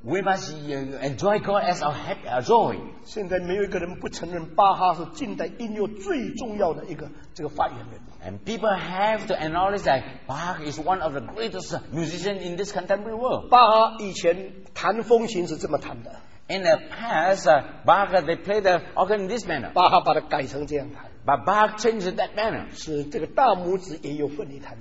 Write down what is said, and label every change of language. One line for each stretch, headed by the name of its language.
English: we must enjoy God as our happy, our joy.
Chinese: 现在没有一个人不承认巴哈是近代音乐最重要的一个这个发源人。
English: And people have to acknowledge that Bach is one of the greatest musicians in this contemporary world.
Chinese: 巴哈以前弹风琴是这么弹的。
English: In the past, Bach, they played the organ in this manner.
Chinese: 巴哈把它改成这样弹。
English: But Bach changed that manner.
Chinese: 是这个大拇指也有奋力弹。